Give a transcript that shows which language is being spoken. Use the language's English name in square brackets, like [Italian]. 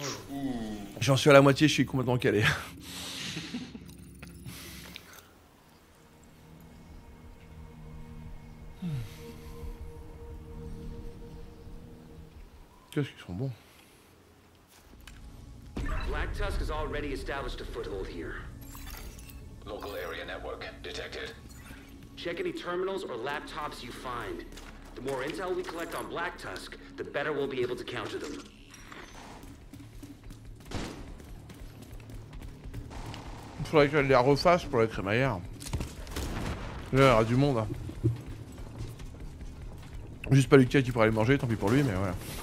[French] Ouh. J'en suis à la moitié, je suis complètement calé. Qu'est-ce qu'ils sont bons. [English] Black Tusk has already established a foothold here. Local area network detected. Check any terminals or laptops you find. The more intel we collect on Black Tusk, the better we'll be able to counter them. [French] Il faudrait qu'elle les refasse pour la crémaillère. Là, il y aura du monde. Juste pas Lucas qui pourrait aller manger, tant pis pour lui, mais voilà.